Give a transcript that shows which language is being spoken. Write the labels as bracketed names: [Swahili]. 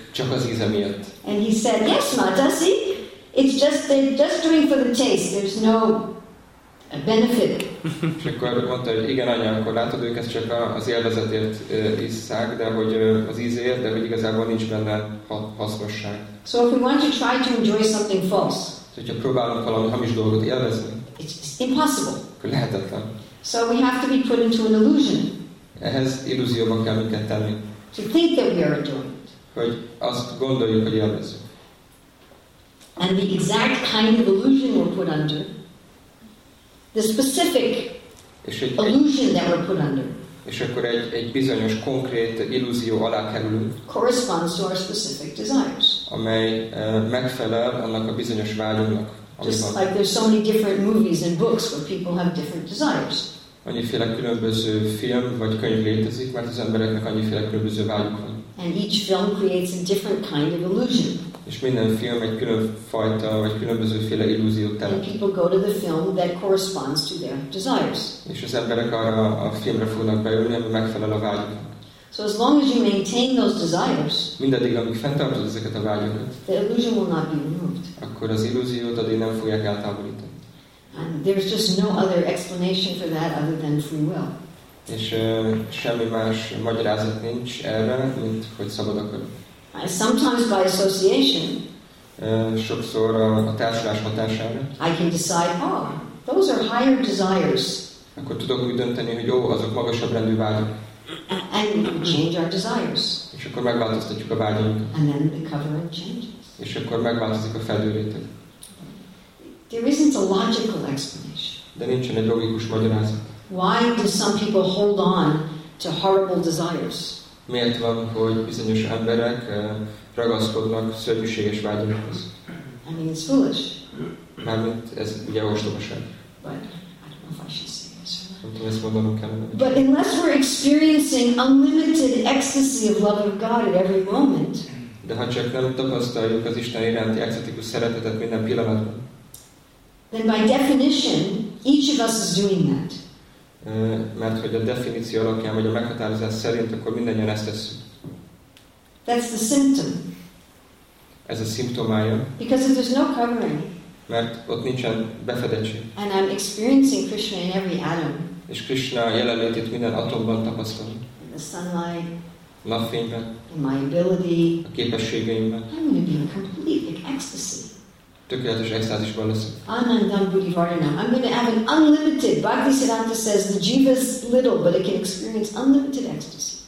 [English] And he said, "Yes, Mata, see, it's just they're just doing for the taste. There's no benefit." [Hungarian] És akkor mondta, hogy igen, anya, akkor látod, ők ezt csak az élvezetért isszák, de hogy az ízért, de hogy igazából nincs benne hasznosság. [English] So if we want to try to enjoy something false, so, [Hungarian] hogyha próbálunk valami hamis dolgot élvezni, [English] it's impossible. [Hungarian] Akkor lehetetlen. [English] So we have to be put into an illusion. [Hungarian] Ehhez illúzióba kell minket tenni. [English] To think that we are enjoying it. [Hungarian] Hogy azt gondoljuk, hogy élvezünk. [English] And the exact kind of illusion we're put under, the specific illusion that we're put under. [Hungarian] És akkor egy bizonyos konkrét illúzió alá kerülünk. [English] Corresponds to our specific desires. [Hungarian] Amely megfelel annak a bizonyos vágyunknak. [English] Just like there's so many different movies and books where people have different desires. [Hungarian] Annyiféle különböző film vagy könyv létezik, mert az embereknek annyiféle különböző vágyuk van. [English] And each film creates a different kind of illusion. [Hungarian] És minden film egy különfajta, vagy különbözőféle illúziót teremt. [English] And people go to the film that corresponds to their desires. [Hungarian] És az emberek arra a filmre fognak beülni, ami megfelel a vágyuknak. [English] So as long as you maintain those desires, [Hungarian] mindaddig, amíg fenntartod ezeket a vágyakat, [English] the illusion will not be removed. [Hungarian] Akkor az illúziót addig nem fogják eltávolítani. [English] And there's just no other explanation for that other than free will. [Hungarian] És semmi más magyarázat nincs erre, mint hogy szabad akarok. [English] Sometimes by association, [Hungarian] sokszor a társulás hatására, [English] I can decide, oh, those are higher desires. [Hungarian] Akkor tudok úgy dönteni, hogy jó, azok magasabb rendű vágyak. [English] And we change our desires. [Hungarian] És akkor megváltoztatjuk a vágyunkat. [English] And then the covering changes. [Hungarian] És akkor megváltozik a fedőréteg. [English] There isn't a logical explanation. [Hungarian] De nincsen egy logikus magyarázat. [English] Why do some people hold on to horrible desires? [Hungarian] Miért van, hogy bizonyos emberek ragaszkodnak szörnyűséges vágyakhoz? [English] I mean, it's foolish. [Hungarian] Mármint ez ugye ostobaság. [English] But I don't know if I should say this. But unless we're experiencing unlimited ecstasy of love of God at every moment, [Hungarian] de ha csak nem tapasztaljuk az Isten iránti ekstatikus szeretetet minden pillanatban, [English] then by definition, each of us is doing that. [Hungarian] Mert hogy a definíció alapján, vagy a meghatározás szerint, akkor mindannyian ezt tesszük. [English] That's the symptom. [Hungarian] Ez a szimptomája. [English] Because if there's no covering. [Hungarian] Mert ott nincsen befedettség. [English] And I'm experiencing Krishna in every atom. [Hungarian] És Krishna jelenlétét minden atomban tapasztalom. [English] In the sunlight. [Hungarian] Napfényben. [English] In my ability. [Hungarian] A képességeimben. [English] I'm going to be in complete ecstasy. [Hungarian] tökéletes extázisban leszünk. [Sanskrit] Anandam Buddhivardhanam. [English] I'm going to have an unlimited. Bhakti Siddhanta says the jiva is little, but it can experience unlimited ecstasy.